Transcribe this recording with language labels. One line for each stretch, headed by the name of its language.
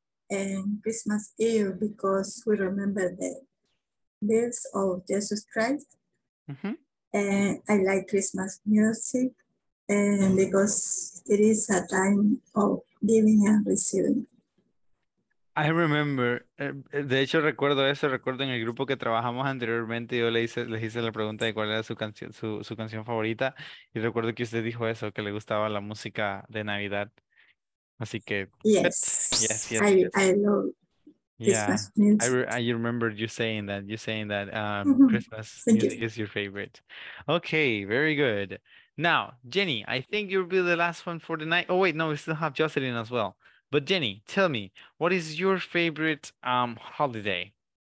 English: And Christmas Eve because we remember the birth of Jesus Christ. Mm-hmm. And I like Christmas music and because it is a time of giving and receiving. I remember,
Spanish: de hecho recuerdo eso, recuerdo en el grupo que trabajamos anteriormente, yo les hice la pregunta de cuál era su canción favorita, y recuerdo que usted dijo eso, que le gustaba la música de Navidad, así que,
English: yes, I love Christmas music. I remember you saying that, Christmas music is your favorite. Okay, very good. Now, Jenny, I think you'll be the last one for the night. Oh, wait, no, we still have Jocelyn as well. But Jenny, tell me, what is your favorite holiday?